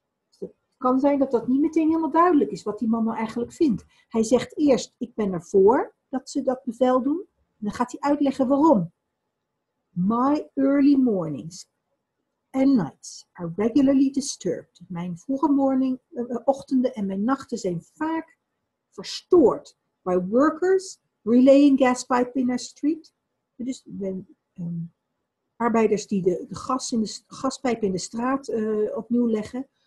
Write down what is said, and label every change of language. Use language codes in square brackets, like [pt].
[nl] So, het kan zijn dat dat niet meteen helemaal duidelijk is wat die man nou eigenlijk vindt. Hij zegt eerst, ik ben ervoor dat ze dat bevel doen. En dan gaat hij uitleggen waarom. [en] My early mornings and nights are regularly disturbed. [nl] Mijn vroege ochtenden en mijn nachten zijn vaak verstoord [en] by workers relaying gas pipe in our street. [nl] Dus arbeiders die de gaspijp in de straat opnieuw leggen.